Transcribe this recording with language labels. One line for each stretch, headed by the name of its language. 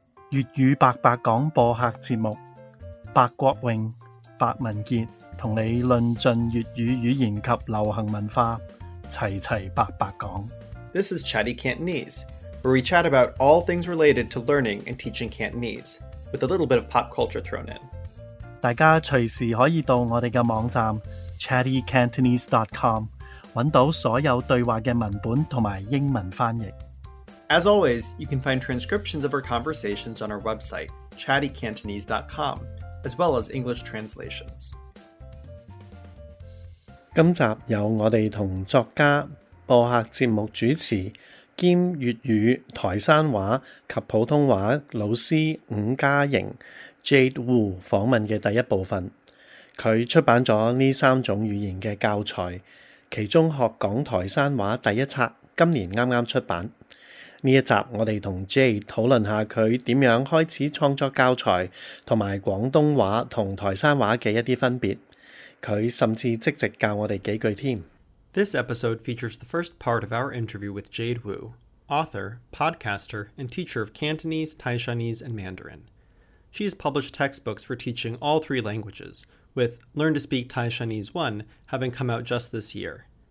Cantonese: 粤语白白广播客节目，白国荣、白文杰同你论尽粤语语言及流行文化，齐齐白白讲。
English: This is Chatty Cantonese, where we chat about all things related to learning and teaching Cantonese, with a little bit of pop culture thrown in.
Cantonese: 大家随时可以到我哋嘅网站 chattycantonese.com 揾到所有对话嘅文本同埋英文翻译。
English: As always, you can find transcriptions of our conversations on our website, chattycantonese.com, as well as English translations.
Cantonese: 今集由我哋同作家、播客节目主持兼粤语、台山话及普通话老师伍嘉莹 Jade Wu 访问嘅第一部分。佢出版咗呢三种语言嘅教材，其中学讲台山话第一册今年啱啱出版。呢一集我哋同 J 讨论下佢点样开始创作教材，同埋广东话同台山话嘅一啲分别。佢甚至积极教我哋几句添。
English: This episode features the first part of our interview with Jade Wu, author, podcaster, and teacher of Cantonese, Taishanese, and Mandarin. She has published textbooks for teaching all three languages, with Learn to Speak Taishanese 1 having come out just this year.